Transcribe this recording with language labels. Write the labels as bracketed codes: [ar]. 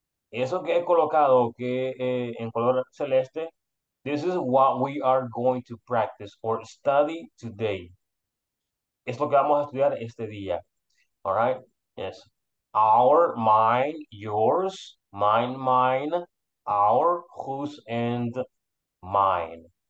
[es] Eso que he colocado que en color celeste. [en] This is what we are going to practice or study today. [es] Es lo que vamos a estudiar este día. [en] All right? Yes. Our, mine, yours, mine, our, whose, and mine.